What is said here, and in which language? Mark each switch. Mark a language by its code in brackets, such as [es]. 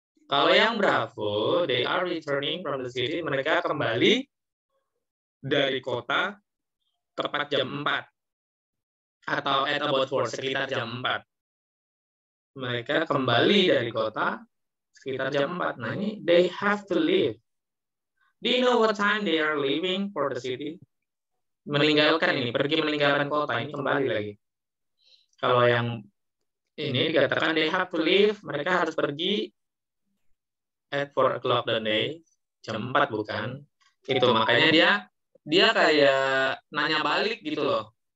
[id] Kalau yang bravo, [en] they are returning from the city, [id] mereka kembali dari kota tepat jam 4 atau [en] at about 4, [id] sekitar jam 4 mereka kembali dari kota sekitar jam 4. Nah ini [en] they have to leave. Do you know what time they are leaving for the city? [id] Meninggalkan, ini pergi meninggalkan kota, ini kembali lagi. Kalau yang ini dikatakan [en] they have to leave, [id] mereka harus pergi [en] at 4 o'clock the day, [id] jam 4 bukan? Itu makanya dia kayak nanya balik gitu loh.